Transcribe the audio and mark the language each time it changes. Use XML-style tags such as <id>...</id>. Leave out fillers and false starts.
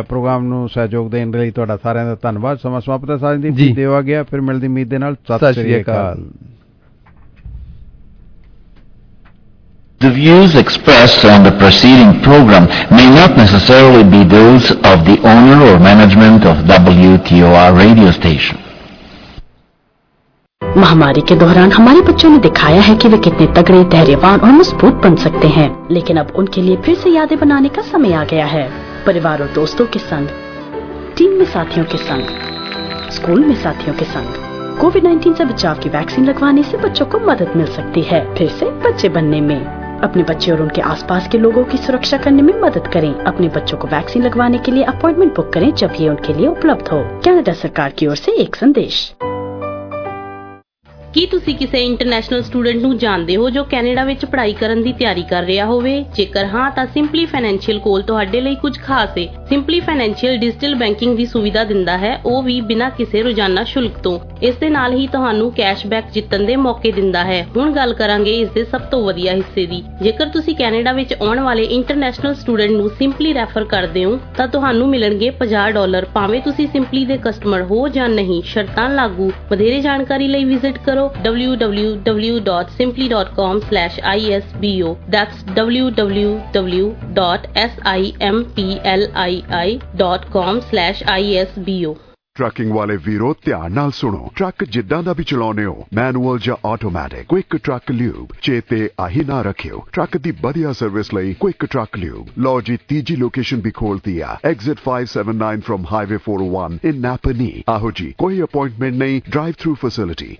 <pa>Programme ਨੂੰ ਸਹਿਯੋਗ ਦੇਣ ਦੇ ਲਈ ਤੁਹਾਡਾ ਸਾਰਿਆਂ ਦਾ ਧੰਨਵਾਦ। ਸਮਾਂ ਸਮਾਪਤ ਹੈ ਸਾਜਦੀਪ ਜੀ, ਦੇਵਾ ਗਿਆ ਫਿਰ ਮਿਲਦੀ ਉਮੀਦ ਦੇ ਨਾਲ। ਸਤਿ ਸ੍ਰੀ ਅਕਾਲ।</pa> <en>The views expressed on the preceding program may not necessarily be those of the owner or management of WTOR radio station.</en> <hi>महामारी के दौरान हमारे बच्चों ने दिखाया है कि वे कितने तगड़े, धैर्यवान और मजबूत बन सकते हैं, लेकिन अब उनके लिए फिर से यादें बनाने का समय आ गया है। परिवार और दोस्तों के संग, टीम में साथियों के संग, स्कूल में साथियों के संग COVID-19 से बचाव की वैक्सीन लगवाने से बच्चों को मदद मिल सकती है फिर से बच्चे बनने में। अपने बच्चे और उनके आसपास के लोगों की सुरक्षा करने में मदद करें। अपने बच्चों को वैक्सीन लगवाने के लिए अपॉइंटमेंट बुक करें जब ये उनके लिए उपलब्ध हो। कनाडा सरकार की ओर से एक संदेश।</hi> <pa>ਕੀ ਤੁਸੀਂ ਕਿਸੇ ਇੰਟਰਨੈਸ਼ਨਲ ਸਟੂਡੈਂਟ ਨੂੰ ਜਾਣਦੇ ਹੋ ਜੋ ਕੈਨੇਡਾ ਵਿੱਚ ਪੜ੍ਹਾਈ ਕਰਨ ਦੀ ਤਿਆਰੀ ਕਰ ਰਿਹਾ ਹੋਵੇ? ਜੇਕਰ ਹਾਂ ਤਾਂ ਸਿੰਪਲੀ ਫਾਈਨੈਂਸ਼ੀਅਲ ਕੋਲ ਤੁਹਾਡੇ ਲਈ ਕੁਝ ਖਾਸ ਹੈ। ਸਿੰਪਲੀ ਫਾਈਨੈਂਸ਼ੀਅਲ ਡਿਜੀਟਲ ਬੈਂਕਿੰਗ ਦੀ ਸੁਵਿਧਾ ਦਿੰਦਾ ਹੈ, ਉਹ ਵੀ ਬਿਨਾਂ ਕਿਸੇ ਰੋਜ਼ਾਨਾ ਸ਼ੁਲਕ ਤੋਂ। ਇਸ ਦੇ ਨਾਲ ਹੀ ਤੁਹਾਨੂੰ ਕੈਸ਼ਬੈਕ ਜਿੱਤਣ ਦੇ ਮੌਕੇ ਦਿੰਦਾ ਹੈ। ਹੁਣ ਗੱਲ ਕਰਾਂਗੇ ਇਸ ਦੇ ਸਭ ਤੋਂ ਵਧੀਆ ਹਿੱਸੇ ਦੀ। ਜੇਕਰ ਤੁਸੀਂ ਕੈਨੇਡਾ ਵਿੱਚ ਆਉਣ ਵਾਲੇ ਇੰਟਰਨੈਸ਼ਨਲ ਸਟੂਡੈਂਟ ਨੂੰ ਸਿੰਪਲੀ ਰੈਫਰ ਕਰਦੇ ਹੋ ਤਾਂ ਤੁਹਾਨੂੰ ਮਿਲਣਗੇ $50 ਭਾਵੇਂ ਤੁਸੀਂ ਸਿੰਪਲੀ ਦੇ ਕਸਟਮਰ ਹੋ ਜਾਂ ਨਹੀਂ। ਸ਼ਰਤਾਂ ਲਾਗੂ। ਵਧੇਰੇ ਜਾਣਕਾਰੀ ਲਈ ਵਿਜ਼ਿਟ ਕਰੋ www.simply.com/isbo।</pa> <en>That's www.simply.com/isbo।</en> <pa>ਟਰੱਕਿੰਗ ਵਾਲੇ ਵੀਰੋ, ਧਿਆਨ ਨਾਲ ਸੁਣੋ। ਟਰੱਕ ਜਿੱਦਾਂ ਦਾ ਵੀ ਚਲਾਉਂਦੇ ਹੋ, ਮੈਨੂਅਲ ਜਾਂ ਆਟੋਮੈਟਿਕ, ਕੁਇਕ ਟਰੱਕ ਲਿਊਬ ਚੇਤੇ ਆਹੀ ਨਾ ਰੱਖਿਓ। ਟਰੱਕ ਦੀ ਵਧੀਆ ਸਰਵਿਸ ਲਈ ਕੁਇਕ ਟਰੱਕ ਲਿਊਬ। ਲਓ ਜੀ, ਤੀਜੀ ਲੋਕੇਸ਼ਨ ਵੀ ਖੋਲਤੀ ਆ,</pa> <en>Exit 579 from highway 401 in Napanee.</en> <pa>ਆਹੋ ਜੀ, ਕੋਈ ਅਪਾਇੰਟਮੈਂਟ ਨਹੀਂ, ਡਰਾਈਵ ਥਰੂ ਫੈਸਿਲਿਟੀ।</pa>